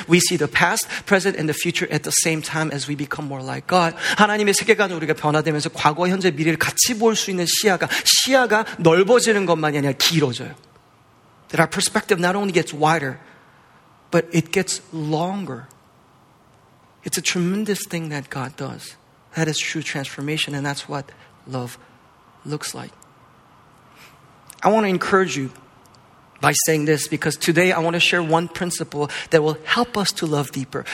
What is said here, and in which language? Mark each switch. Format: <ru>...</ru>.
<en>We see the past, present, and the future at the same time as we become more like God.</en> <ko>하나님의 세계관으로 우리가 변화되면서 과거, 현재, 미래를 같이 볼 수 있는 시야가 넓어지는 것만이 아니라 길어져요.</ko> <en>That our perspective not only gets wider, but it gets longer. It's a tremendous thing that God does. That is true transformation, and that's what love looks like. I want to encourage you by saying this because today I want to share one principle that will help us to love deeper.</en>